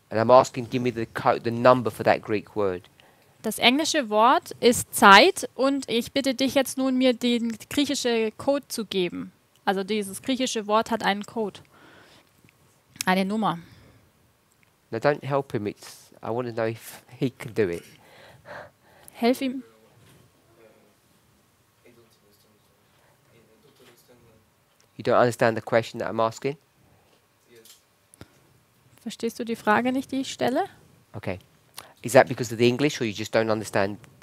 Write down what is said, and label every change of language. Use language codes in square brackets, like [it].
[en] and I'm asking, give me the number for that Greek word. [de] Das englische Wort ist Zeit, und ich bitte dich jetzt nun, mir den griechischen Code zu geben. Also dieses griechische Wort hat einen Code. Eine Nummer. [en] Now don't help him, it's, I want to know if he can do it. [de] Helf ihm. [en] You don't understand the question that I'm asking? [de] Verstehst du die Frage nicht, die ich stelle? [en] Okay. Is that because of the English, or you just don't understand?